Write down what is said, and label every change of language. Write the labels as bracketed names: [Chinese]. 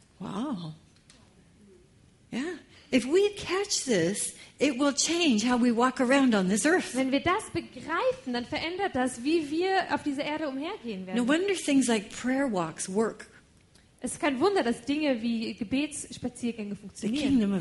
[English] Wow. Yeah. If we catch this, it will change how we walk around on this earth. [German] Wenn wir das begreifen, dann verändert das, wie wir auf dieser Erde umhergehen werden. [English] No wonder things like prayer walks work. [German] Es ist kein Wunder, dass Dinge wie Gebetsspaziergänge funktionieren.